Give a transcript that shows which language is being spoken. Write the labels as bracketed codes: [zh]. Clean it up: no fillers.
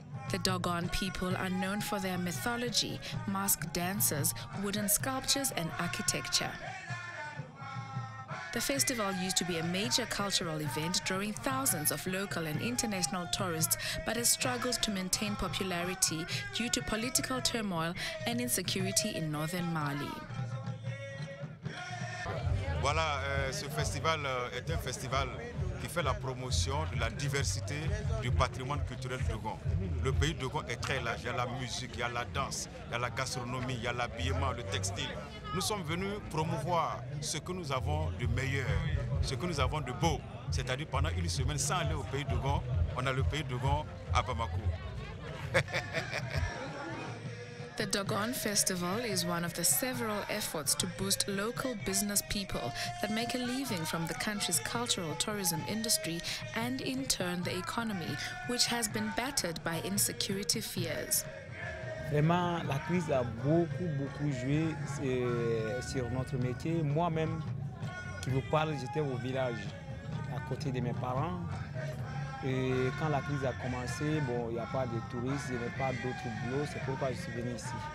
[en] The Dogon people are known for their mythology, mask dances, wooden sculptures and architecture. The festival used to be a major cultural event drawing thousands of local and international tourists, but has struggled to maintain popularity due to political turmoil and insecurity in northern Mali. [fr] Voilà, ce festival est un festival qui fait la promotion de la diversité du patrimoine culturel Dogon. Le pays Dogon est très large, il y a la musique, il y a la danse, il y a la gastronomie, il y a l'habillement, le textile. Nous sommes venus promouvoir ce que nous avons de meilleur, ce que nous avons de beau. C'est-à-dire pendant une semaine, sans aller au pays Dogon, on a le pays Dogon à Bamako. [en] The Dogon Festival is one of the several efforts to boost local business people that make a living from the country's cultural tourism industry and in turn the economy, which has been battered by insecurity fears. [fr] Vraiment, la crise a beaucoup, beaucoup joué sur notre métier. Moi-même, qui vous parle, j'étais au village à côté de mes parents. Et quand la crise a commencé, bon, il n'y a pas de touristes, il n'y a pas d'autres boulots, c'est pourquoi je suis venu ici.